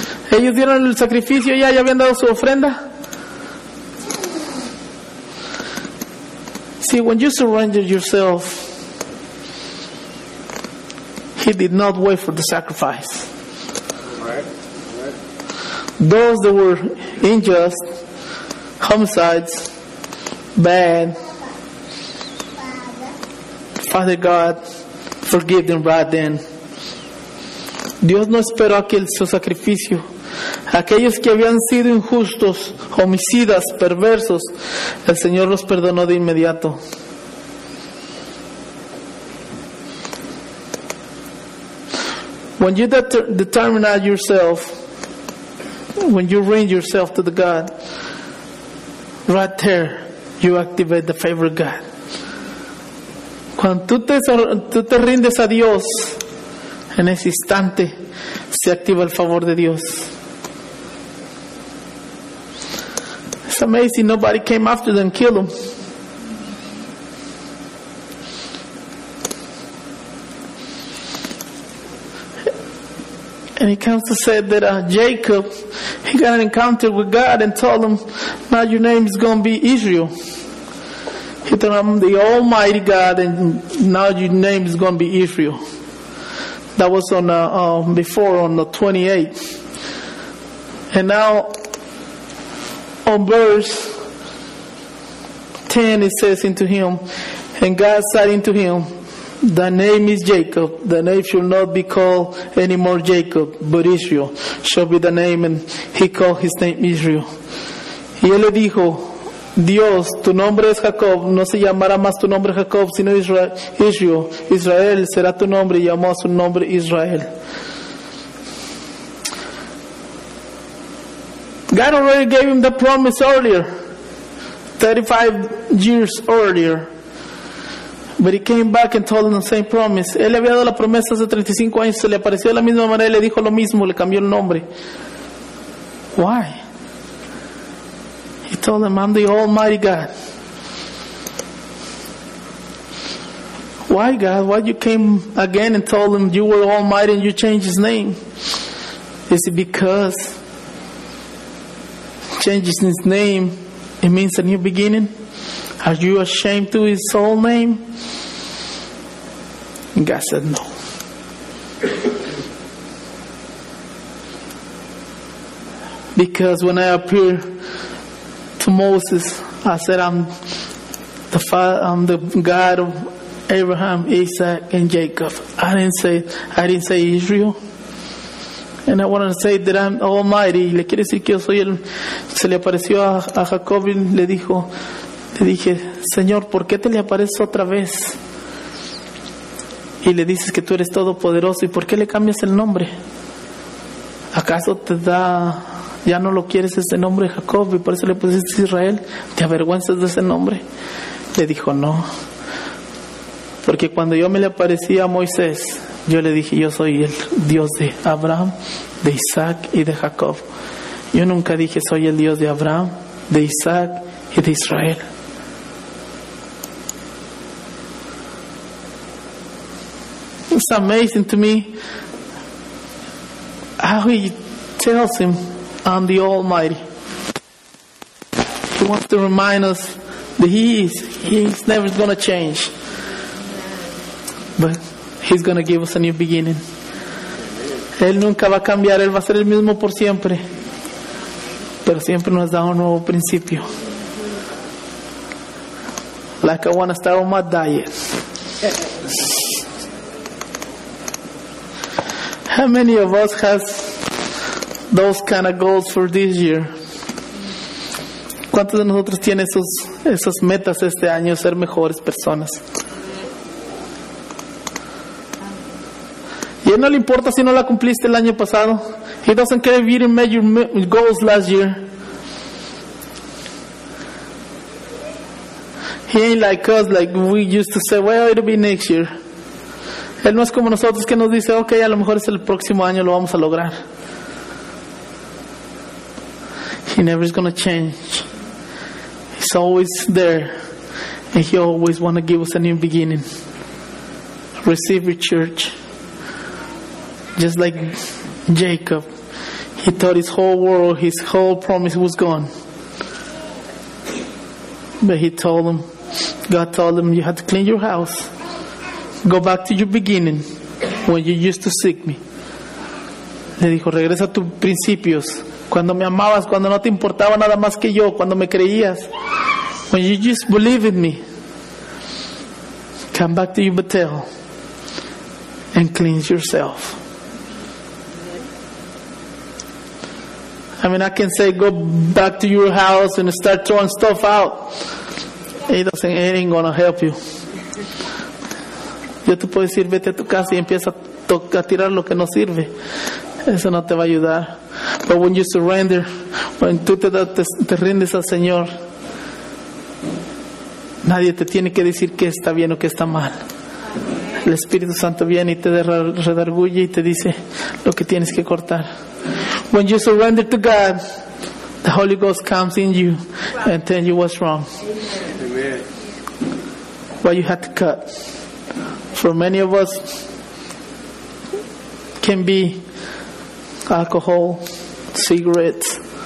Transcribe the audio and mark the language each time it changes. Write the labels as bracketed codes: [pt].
[es] Ellos dieron el sacrificio ya habían dado su ofrenda. [en] See, when you surrender yourself, he did not wait for the sacrifice. Those that were unjust, homicides, bad, Father God, forgive them right then. [es] Dios no esperó aquel su sacrificio. Aquellos que habían sido injustos, homicidas, perversos, el Señor los perdonó de inmediato. [en] When you determine yourself, when you bring yourself to the God, right there, you activate the favor of God. [es] Cuando tú te rindes a Dios, en ese instante se activa el favor de Dios. [en] It's amazing, nobody came after them, killed them. And he comes to say that Jacob, he got an encounter with God and told him, now your name is going to be Israel. He told him, the Almighty God, and now your name is going to be Israel. That was on before on the 28th. And now on verse 10 it says unto him, and God said unto him, thy name is Jacob. Thy name shall not be called anymore Jacob, but Israel shall be the name. And he called his name Israel. [es] Y él le dijo, Dios, tu nombre es Jacob. No se llamará más tu nombre Jacob, sino Israel. Israel será tu nombre. Y llamó a su nombre Israel. [en] God already gave him the promise earlier, 35 years earlier. But he came back and told him the same promise. [es] Él le había dado la promesa hace 35 años. Se le apareció de la misma manera y le dijo lo mismo. Le cambió el nombre. [en] Why? He told him, I'm the Almighty God. Why, God? Why you came again and told him you were Almighty and you changed his name? Is it because changes his name, it means a new beginning? Are you ashamed to his soul name? And God said, no. Because when I appear to Moses, I said, I'm the father, I'm the God of Abraham, Isaac, and Jacob. I didn't say Israel. And I want to say that I'm Almighty. [es] Le quiere decir que yo soy el. Se le apareció a Jacob y le dijo. Le dije, Señor, ¿por qué te le apareces otra vez? Y le dices que tú eres todopoderoso. ¿Y por qué le cambias el nombre? ¿Acaso te da. Ya no lo quieres ese nombre, Jacob? Y por eso le pusiste Israel. ¿Te avergüenzas de ese nombre? Le dijo, no. Porque cuando yo me le aparecí a Moisés. Yo le dije, yo soy el Dios de Abraham, de Isaac y de Jacob. Yo nunca dije, soy el Dios de Abraham, de Isaac y de Israel. [en] It's amazing to me how he tells him, I'm the Almighty. He wants to remind us that he's never going to change. But he's going to give us a new beginning. [es] Él nunca va a cambiar. Él va a ser el mismo por siempre. Pero siempre nos da un nuevo principio. [en] Like I want to start on my diet. How many of us has those kind of goals for this year? [es] ¿Cuántos de nosotros tiene esos metas este año? Ser mejores personas. Y no le importa si no la cumpliste el año pasado. [en] He doesn't care if you didn't make your goals last year. He ain't like us, like we used to say, well, it'll be next year. [es] Él no es como nosotros que nos dice, okay, a lo mejor es el próximo año, lo vamos a lograr. [en] He never is going to change. He's always there. And he always want to give us a new beginning. Receive your church. Just like Jacob, he thought his whole world, his whole promise was gone. But he told him, God told him, you have to clean your house. Go back to your beginning, when you used to seek me. [es] Le dijo, regresa a tus principios. Cuando me amabas, cuando no te importaba nada más que yo, cuando me creías. [en] When you just believed in me. Come back to your betel and cleanse yourself. I mean, I can say, go back to your house and start throwing stuff out. It ain't gonna help you. [es] Yo te puedo decir, vete a tu casa y empieza a tirar lo que no sirve. Eso no te va a ayudar. [en] But when you surrender, when [es] tú te rindes al Señor, nadie te tiene que decir qué está bien o qué está mal. El Espíritu Santo viene y te redarguye y te dice lo que tienes que cortar. [en] When you surrender to God, the Holy Ghost comes in you and tells you what's wrong. Amen. What you have to cut. For many of us, can be alcohol, cigarettes.